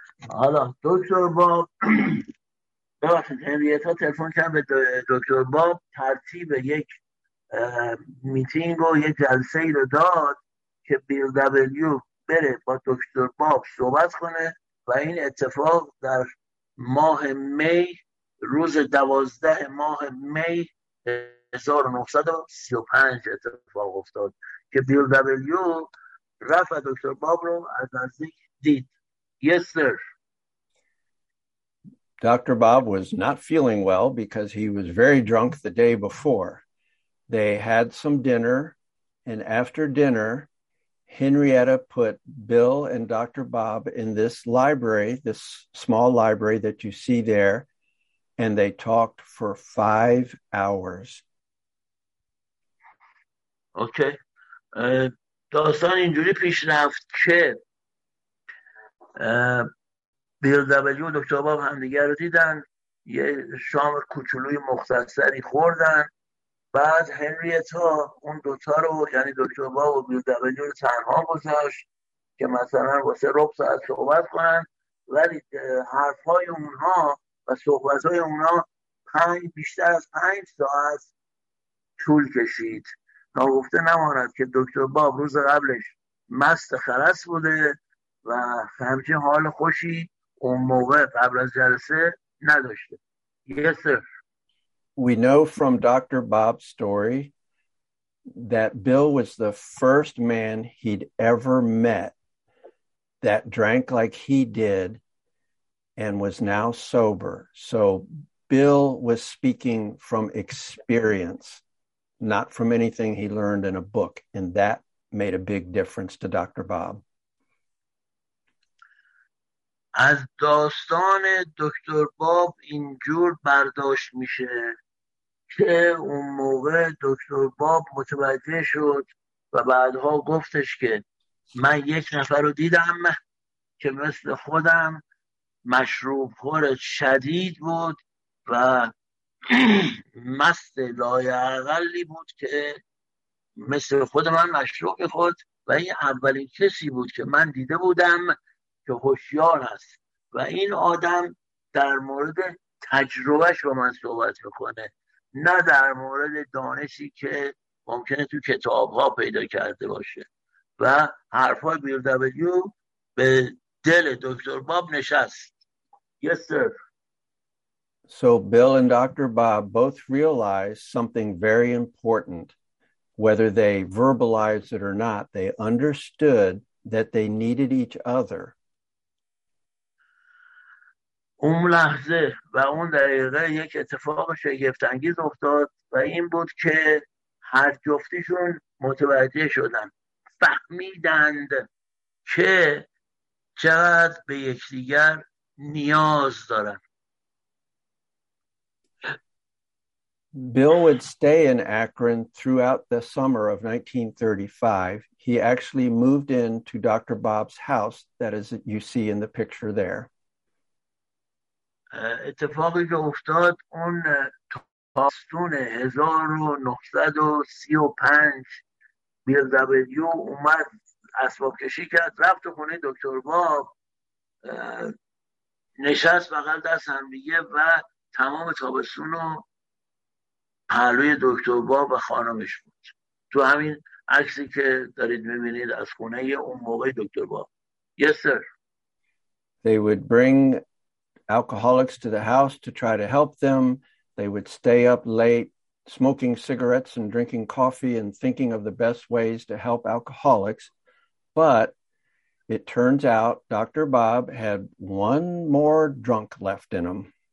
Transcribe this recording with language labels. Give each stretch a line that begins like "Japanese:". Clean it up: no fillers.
Persian: حالا دکتر باب ببخشید هنریتا تلفن کرد به دکتر باب، ترتیب یک میتینگ و یک جلسه ای رو داد که بیل دبلیو بره با دکتر باب صحبت کنه و این اتفاق در ماه می، روز 12 ماه می 1935 اتفاق افتاد که بیل دبلیو رفت دکتر باب رو از نزدیک دید.
English: Yes sir. Dr. Bob was not feeling well because he was very drunk the day before. They had some dinner, and after dinner Henrietta put Bill and Dr. Bob in this library, this small library that you see there, and they talked for 5 hours. Okay.
Persian: داستان اینجوری پیش رفت که بیل دبلیو و دکتر باب همدیگر رو دیدن، یه شام کوچولوی مختصری خوردن، بعد هنریتا اون دوتا رو یعنی دکتر باب و بیل دبلیو رو تنها گذاشت که مثلا واسه ربع ساعت صحبت کنن، ولی حرفهای اونها و صحبتهای اونها بیشتر از پنج ساعت طول کشید تا گفته نماند که دکتر باب روز قبلش مست خرس بوده و همچین حال خوشی اون موقع قبل از جلسه نداشته.
English: Yes, sir. We know from Dr. Bob's story that Bill was the first man he'd ever met that drank like he did and was now sober. So Bill was speaking from experience, not from anything he learned in a book, and that made a big difference to Dr. Bob.
Persian: از داستان دکتر باب اینجور برداشت میشه که اون موقع دکتر باب متوجه شد و بعدها گفتش که من یک نفر رو دیدم که مثل خودم مشروب خور شدید بود و مست لایعقلی بود که مثل خود من مشروب خود، و این اولین کسی بود که من دیده بودم که هوشیار است و این آدم در مورد تجربهش با من صحبت میکنه، نه در مورد دانشی که ممکنه تو کتابها پیدا کرده باشه. و حرفای بیل دبلیو به دل دکتر باب نشست.
English: Yes sir. So Bill and Dr. Bob both realized something very important. Whether they verbalized it or not, they understood that they needed each other.
Persian: اون لحظه و اون دقیقه یک اتفاق شگفت انگیز افتاد و این بود که هر جفتیشون متوجه شدن، فهمیدند که چقدر به یکدیگر نیاز دارن.
English: Bill would stay in Akron throughout the summer of 1935. He actually moved in to Dr. Bob's house that is you see in the picture there.
Persian: اتفاقی که افتاد اون تابستون 1935 بیل دبلیو اومد اسباب کشی کرد رفت خونه دکتر باب نشست بغل دست هم دیگه و تمام تابستون رو پهلوی دکتر باب و خانمش بود تو همین عکسی که دارید میبینید از خونه اون موقع دکتر باب.
English: Yes sir. They would bring alcoholics to the house to try to help them. They would stay up late smoking cigarettes and drinking coffee and thinking of the best ways to help alcoholics. But it turns out Dr. Bob had one more drunk left in him.